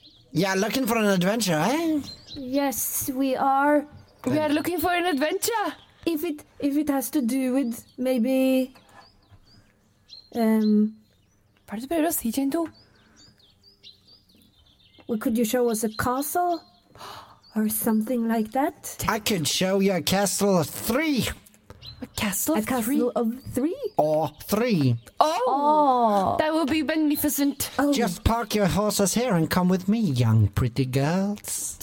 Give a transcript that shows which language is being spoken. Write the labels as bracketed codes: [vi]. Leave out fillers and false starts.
[en] You're looking for an adventure, eh? Yes, we are. We are looking for an adventure. If it has to do with maybe... [no] Hva du prøver å si, Jane Doe? [en] Well, could you show us a castle? Or something like that? I could show you a castle of three. A castle of three? A castle of three? Or three. Oh! Oh. That would be magnificent. Oh. Just park your horses here and come with me, young pretty girls.